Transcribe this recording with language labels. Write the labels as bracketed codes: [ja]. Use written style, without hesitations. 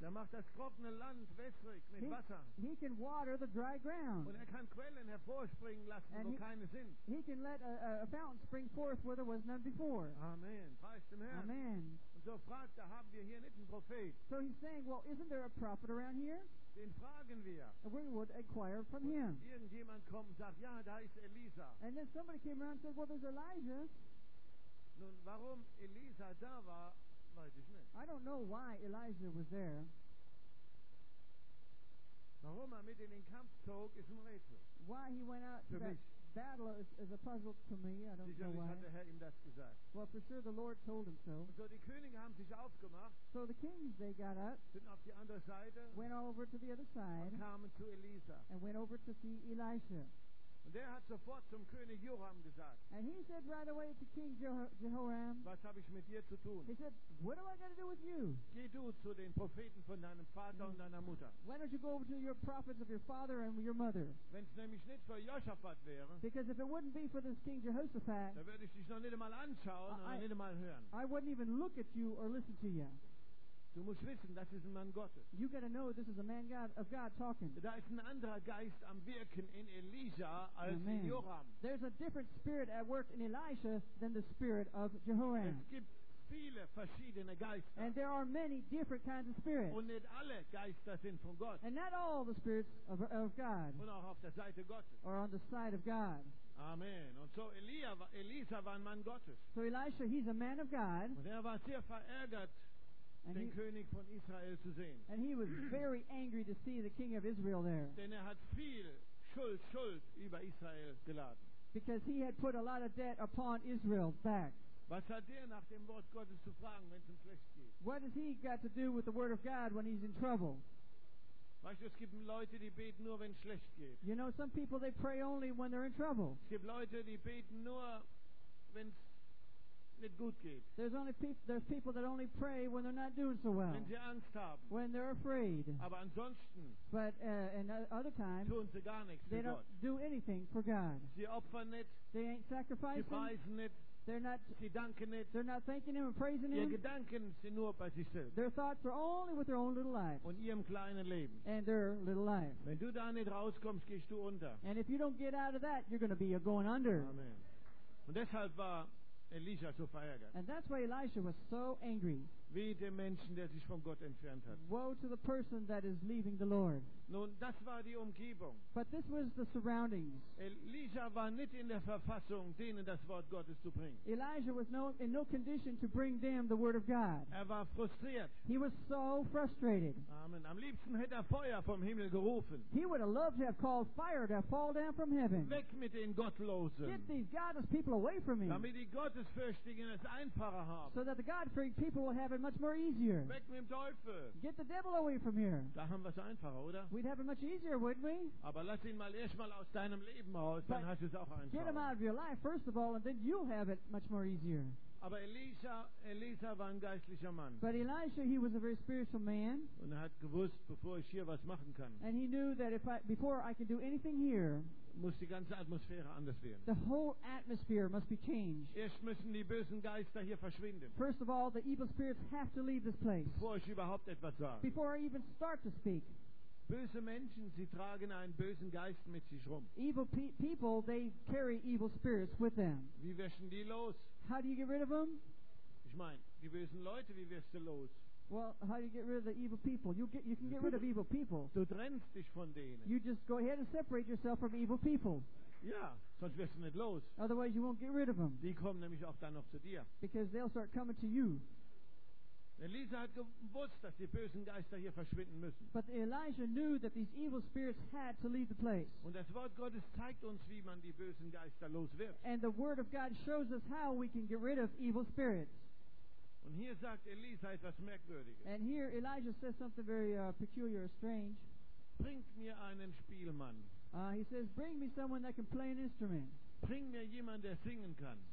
[de] Er macht das trockene Land wässrig mit Wasser. [en] He can water the dry ground. [de] Und er kann Quellen hervorspringen lassen, [en] and [de] wo keine sind. [en] He can let a fountain spring forth where there was none before. [de] Amen. Preist dem Herrn. Amen. So fragt er, haben wir hier nicht einen Prophet? [en] So he's saying, well, isn't there a prophet around here? [de] Den fragen wir. [en] And we would inquire from [de] und [en] him. [de] Irgendjemand kommt und sagt, ja, da ist Elisa. [en] And then somebody came around and said, well, there's Elijah. [de] Nun, warum Elisa da war, weiß ich nicht. [en] I don't know why Elijah was there. [de] Warum er mit in den Kampf zog, ist ein Rätsel. [en] Why he went out [de] für [en] to [de] mich. [en] That battle is a puzzle to me. I don't [de] sicherlich [en] know why. [de] Hat der Herr ihm das gesagt. [en] Well, for sure the Lord told him so. [de] So, die Könige haben sich aufgemacht, [en] so the kings, they got up, [de] sind auf die andere Seite, [en] went all over to the other side, [de] und kamen zu Elisa. [en] And went over to see Elisha. [de] Und der hat sofort zum König Joram gesagt. [en] And he said right away to King Jehoram, [de] was habe ich mit dir zu tun? [en] He said, what am I going to do with you? [de] Geh du zu den Propheten von deinem Vater und deiner Mutter. [en] Why don't you go over to your prophets of your father and your mother? [de] Wenn's nämlich nicht für Josaphat wäre, [en] because if it wouldn't be for this King Jehoshaphat, [de] dann würde ich dich noch nicht einmal anschauen und nicht einmal hören. [en] I wouldn't even look at you or listen to you. [de] Du musst wissen, das ist ein Mann Gottes. [en] You got to know this is a man God, of God talking. [de] Da ist ein anderer Geist am Wirken in Elisha als Amen. In Joram. [en] There's a different spirit at work in Elisha than the spirit of Jehoram. [de] Es gibt viele verschiedene Geister. [en] And there are many different kinds of spirits. [de] Und nicht alle Geister sind von Gott. [en] And not all the spirits of God. [de] Und auch auf der Seite Gottes. [en] Or on the side of God. [de] Amen. Und so Elisa war ein Mann Gottes. [en] So Elisha, he's a man of God. [de] Und war sehr verärgert, [en] and [de] den König von Israel zu sehen. [en] And he was very angry to see the king of Israel there. [de] Denn hat viel Schuld über Israel geladen. [en] Because he had put a lot of debt upon Israel's back. [de] Was hat der nach dem Wort Gottes zu fragen, wenn es ihm schlecht geht? [en] What has he got to do with the word of God when he's in trouble? [de] Weißt du, es gibt Leute, die beten nur, wenn es schlecht geht. [en] You know, some people, they pray only when they're in trouble. [de] Es gibt Leute, die beten nur, wenn es nicht gut geht. [en] There's people that only pray when they're not doing so well. [de] Wenn sie Angst haben. [en] When they're afraid. [de] Aber ansonsten. [en] But other times. [de] Tun sie gar nichts [en] they [de] für [en] don't [de] Gott. [en] Do anything for God. [de] Sie opfern nicht. [en] They ain't sacrificing. [de] Sie preisen nicht. [en] They're not. [de] Sie danken nicht. [en] They're not thanking Him and praising [de] ihr [en] Him. [de] Ihr Gedanken sind nur bei sich selbst. [en] Their thoughts are only with their own little life. [de] Und ihrem kleinen Leben. [en] And their little life. [de] Wenn du da nicht rauskommst, gehst du unter. [en] And if you don't get out of that, you're going to be going under. [de] Amen. Und deshalb war Elisha so verärgert. [en] And that's why Elisha was so angry. [de] Wie dem Menschen, der sich von Gott entfernt hat. [en] Woe to the person that is leaving the Lord. [de] Nun, das war die Umgebung. [en] But this was the surroundings. [de] Elisha war nicht in der Verfassung, denen das Wort Gottes zu bringen. [en] Elijah was in no condition to bring them the word of God. [de] Er war frustriert. [en] He was so frustrated. Amen. [de] Am liebsten hätte er Feuer vom Himmel gerufen. [en] He would have loved to have called fire to fall down from heaven. [de] Weg mit den Gottlosen. [en] Get these godless people away from me. [de] Damit die Gottesfürchtigen es einfacher haben. [en] So that the God-fearing people will have it much more easier. [de] Weg mit dem Teufel. [en] Get the devil away from here. [de] Da haben wir es einfacher, oder? [en] We'd have it much easier, wouldn't we? [de] Aber lass ihn mal erstmal aus deinem Leben raus, [en] but [de] dann hast du es auch einfacher. [en] Get him out of your life, first of all, and then you'll have it much more easier. [de] Aber Elisha war ein geistlicher Mann. [en] But Elisha, he was a very spiritual man. [de] Und hat gewusst, bevor ich hier was machen kann. [en] And he knew that before I can do anything here, [de] muss die ganze Atmosphäre anders werden. [en] The whole atmosphere must be changed. [de] Erst müssen die bösen Geister hier verschwinden. [en] First of all, the evil spirits have to leave this place. [de] Bevor ich überhaupt etwas sage. [en] Before I even start to speak. [de] Böse Menschen, sie tragen einen bösen Geist mit sich rum. [en] Evil people, they carry evil spirits with them. [de] Wie wäschen die los? [en] How do you get rid of them? [de] Ich meine, die bösen Leute, wie wäschst du los? [en] Well, how do you get rid of the evil people? You can get rid of evil people. [de] Du trennst dich von denen. [en] You just go ahead and separate yourself from evil people. [de] Ja, sonst wirst du nicht los. [en] Otherwise you won't get rid of them. [de] Die kommen nämlich auch dann noch zu dir. [en] Because they'll start coming to you. [de] Elisa hat gewusst, dass die bösen Geister hier verschwinden müssen. [en] But Elijah knew that these evil spirits had to leave the place. [de] Und das Wort Gottes zeigt uns, wie man die bösen Geister los wird. [en] And the word of God shows us how we can get rid of evil spirits. [de] Und hier sagt Elisa etwas Merkwürdiges. [en] And here Elijah says something very peculiar, strange. [de] Bringt mir einen Spielmann. [en] He says, bring me someone that can play an instrument. [de] Bring mir jemand, der singen kann.